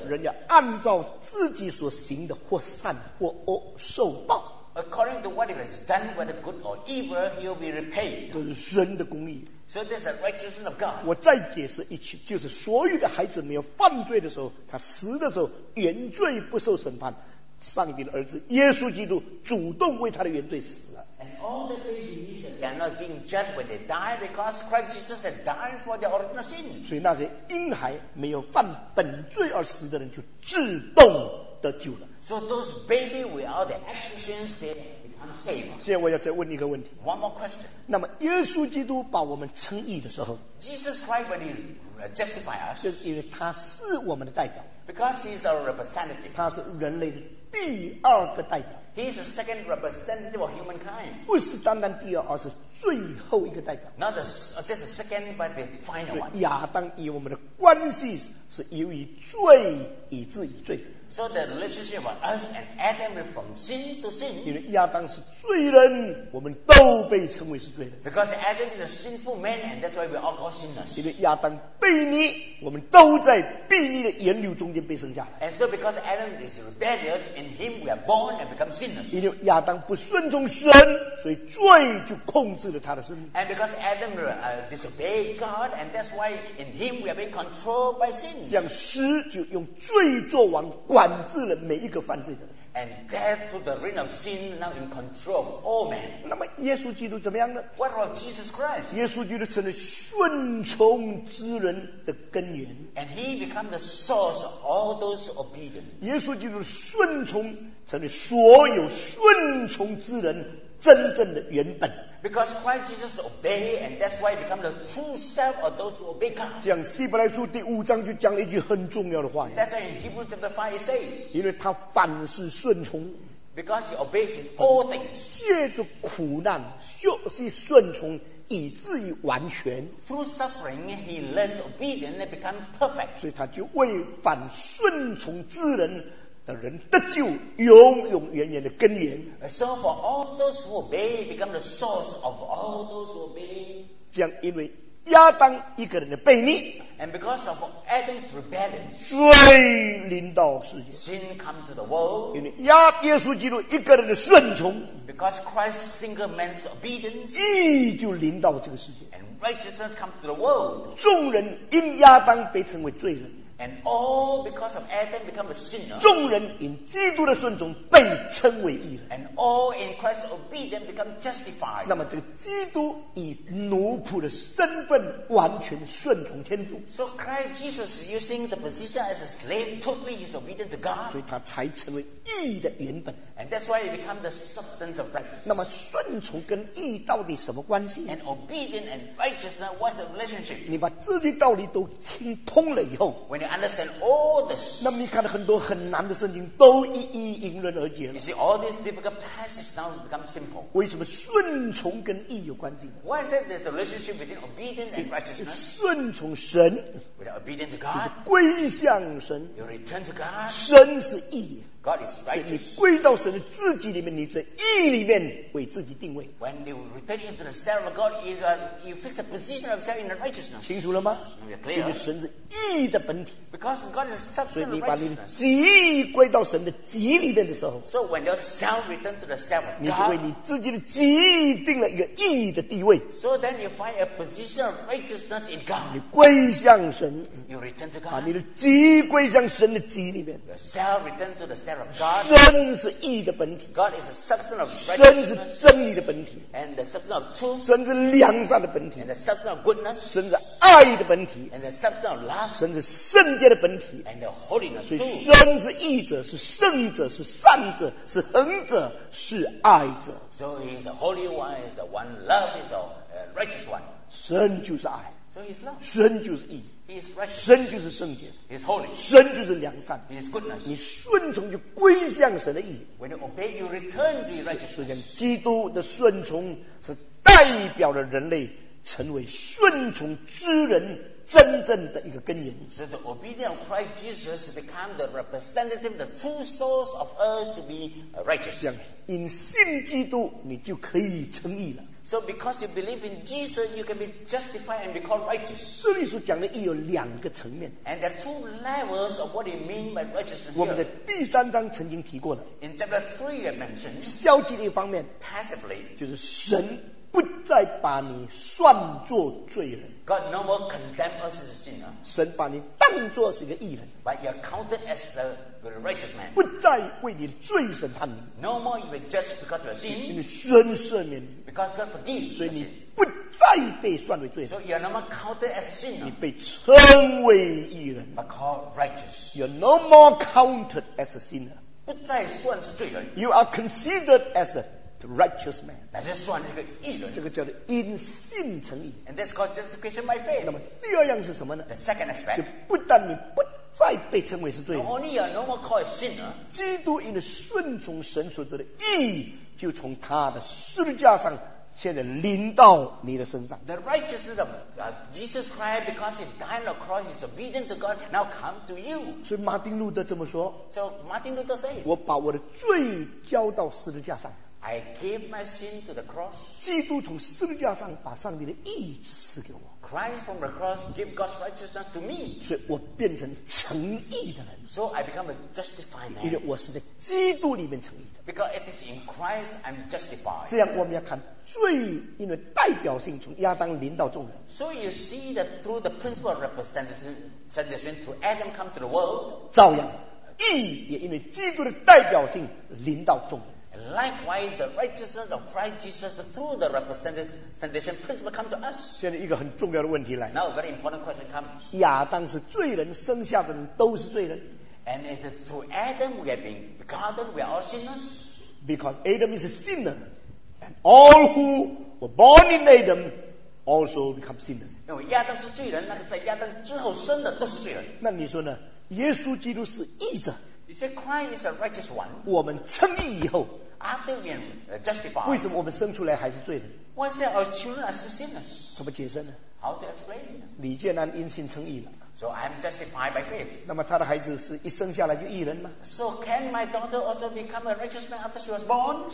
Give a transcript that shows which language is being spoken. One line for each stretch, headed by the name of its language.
Chinese: 人要按照自己所行的或善或恶受报。
English: According to what he has done, whether good or evil, he will be repaid.
Chinese: 这是神的公义。
English: So this is the righteousness of God.
Chinese: 我再解释一句，就是所有的孩子没有犯罪的时候，他死的时候，原罪不受审判。上帝的儿子耶稣基督主动为他的原罪死了。
English: And all the babies are not being judged when they die because Christ Jesus had died for their original sin.
Chinese: 所以那些婴孩没有犯本罪而死的人就自动得救了。
English: So those baby without the actions, they become saved.
Chinese: 现在我要再问一个问题。
English: One more question.
Chinese: 那么耶稣基督把我们称义的时候
English: ，Jesus Christ when he justify us,
Chinese: 就是因为他是我们的代表。
English: Because he is our representative.
Chinese: 他是人类的第二个代表。
English: He is the second representative of humankind.
Chinese: 不是单单第二，而是最后一个代表。
English: Not the just the second, but the final one.
Chinese: 亚当与我们的关系是由于罪以致以罪。
English: So the relationship of us and Adam is from sin to sin.
Chinese: 因为亚当是罪人，我们都被称为是罪人。
English: Because Adam is a sinful man, and that's why we all call sinners.
Chinese: 因为亚当悖逆，我们都在悖逆的源流中间被生下来。
English: And so because Adam is rebellious, in him we are born and become sinners.
Chinese: 因为亚当不顺从神，所以罪就控制了他的生命。
English: And because Adam disobeyed God, and that's why in him we are being controlled by sin.
Chinese: 这样死就用罪作王。管制了每一个犯罪的人。
English: And death to the reign of sin now in control of all men.
Chinese: 那么耶稣基督怎么样呢？
English: What about Jesus Christ?
Chinese: 耶稣基督成了顺从之人的根源。
English: And he became the source of all those obedient.
Chinese: 耶稣基督顺从成了所有顺从之人真正的原本。
English: Because Christ Jesus obeyed, and that's why he become the true self of those who obey God.
Chinese: 讲希伯来书第五章就讲了一句很重要的话。
English: That's why in Hebrews chapter 5 it says.
Chinese: 因为他凡事顺从。
English: Because he obeys in all things.
Chinese: 借着苦难学习顺从，以至于完全。
English: Through suffering, he learned obedience and become perfect.
Chinese: 所以他就为凡顺从之人。的人得救，永永远远的根源。
English: So for all those who obey, become the source of all those who obey.
Chinese: 这样，因为亚当一个人的悖逆
English: ，and because of Adam's rebellion,
Chinese: 罪临到世界
English: ，sin come to the world.
Chinese: 因为耶稣基督一个人的顺从
English: ，because Christ's single man's obedience,
Chinese: 义就临到这个世界
English: ，and righteousness come to the world.
Chinese: 众人因亚当被称为罪人。
English: And all because of Adam become a sinner.
Chinese: 众人因基督的顺从被称为义人。
English: And all in Christ's obedience become justified.
Chinese: 那么这个基督以奴仆的身份完全顺从天父。
English: So Christ Jesus using the position as a slave totally is obedient to God.
Chinese: 所以他才成为义的原本。
English: And that's why he become the substance of righteousness.
Chinese: 那么顺从跟义到底什么关系？
English: And obedience and righteousness, what's the relationship?
Chinese: 你把这些道理都听通了以后。
English: When you understand all this,
Chinese: 那么你看到很多很难的圣经都一一迎刃而解了。
English: You see, all these difficult passages now become simple.
Chinese: 为什么顺从跟义有关系？
English: Why is that there's the relationship between obedience and righteousness?
Chinese: 顺从神
English: with obedience to God,
Chinese: 就是归向神
English: you return to God,
Chinese: 神是义。
English: God is righteous.
Chinese: 你归到神的自己里面，你在义里面为自己定位。
English: When you return into the self of God, you fix a position of self in the righteousness.
Chinese: 清楚了吗？
English: Clear.
Chinese: 因为神是义的本体。
English: Because God is the substance of righteousness.
Chinese: 所以你把你的己归到神的己里面的时候，
English: so when your self return to the self of God,
Chinese: 你是为你自己的己定了一个义的地位。
English: So then you find a position of righteousness in God.
Chinese: 你归向神，
English: you return to God.
Chinese: 把你的己归向神的己里面。
English: Your self return to the self. God,
Chinese: 神是义的本体
English: God is the substance of
Chinese: righteousness, 神是真理的本体
English: and the substance of truth,
Chinese: 神是良善的本体
English: and the substance of goodness,
Chinese: 神是爱的本体
English: and the substance of love,
Chinese: 神是圣洁的本体
English: and the holiness too.
Chinese: 神是义者是圣者是善者是恒者是爱者
English: So he is the holy one, is the one love, is the righteous one.
Chinese: 神就是爱
English: So he is love.
Chinese: 神就是义
English: He is
Chinese: 神就是圣洁
English: He is holy.
Chinese: 神就是良善
English: He is goodness.
Chinese: 你顺从就归向神的义
English: When you obey, you return to your righteousness.
Chinese: 基督的顺从是代表了人类成为顺从之人真正的一个根源
English: So the obedience of Christ Jesus become the representative, the true source of us to be righteous.
Chinese: 因信基督你就可以称义了
English: So because you believe in Jesus, you can be justified and be called righteous.
Chinese: 这里所讲的义有两个层面。
English: And there are two levels of what you mean by righteousness.
Chinese: 我们在第三章曾经提过的。
English: In chapter 3 you mentioned.
Chinese: 消极的一方面。
English: Passively.
Chinese: 就是神不再把你算作罪人。
English: God no more condemns us as a sinner.
Chinese: 神把你当作是一个义人。
English: But you are counted as a righteous man.
Chinese: 不再为你的罪审判你。
English: No more you are judged because of your sin.
Chinese: 因为神赦免你。
English: Because God forgives
Chinese: you. 所以你不再被算为罪人。
English: So you are no more counted as a sinner.
Chinese: 你被称为义人。
English: But called righteous. You are no more counted as a sinner.
Chinese: 不再算是罪人。
English: You are considered as aThe righteous man.
Chinese: 那就算一个义人。这个叫做因信称义。
English: And that's called justification by faith.
Chinese: 那么第二样是什么呢
English: ？The second aspect.
Chinese: 就不但你不再被称为是罪人。
English: Not only are no more called a sinner.
Chinese: 基督因着顺从神所得的义，就从他的十字架上现在临到你的身上。
English: The righteousness of Jesus Christ, because he died on the cross, is obedient to God, now come to you.
Chinese: 所以马丁路德这么说。
English: So Martin Luther said.
Chinese: 我把我的罪交到十字架上。
English: I gave my sin to the cross.
Chinese: 基督从十字架上把上帝的义赐给我。
English: Christ from the cross gave God's righteousness to me.
Chinese: 所以我变成成义的人。
English: So I become a justified man.
Chinese: 因为我是在基督里面成义的。
English: Because it is in Christ I'm justified.
Chinese: 这样我们要看罪，因为代表性从亚当临到众人。
English: So you see that through the principle of representation through Adam come to the world.
Chinese: 照样，义也因为基督的代表性临到众人。
English: Likewise, the righteousness of Christ Jesus through the representation principle comes to us.
Chinese: 现在一个很重要的问题来。
English: Now a very important question comes.
Chinese: 亚当是罪人，生下的人都是罪人。
English: And it is through Adam we have been begotten, we are all sinners. Because Adam is a sinner, and all who were born in Adam also become sinners.
Chinese: 因为亚当是罪人，那个在亚当之后生的都是罪人。那你说呢？耶稣基督是义者。
English: You say Christ is a righteous one.
Chinese: 我们称义以后
English: ，after we are justified，
Chinese: 为什么我们生出来还是罪人
English: ？Why say our children are sinners？
Chinese: 怎么解释呢
English: ？How to explain？
Chinese: 李建安因信称义了。
English: So I'm justified by faith.
Chinese: 那么他的孩子是一生下来就义人吗
English: ？So can my daughter also become a righteous man after she was born？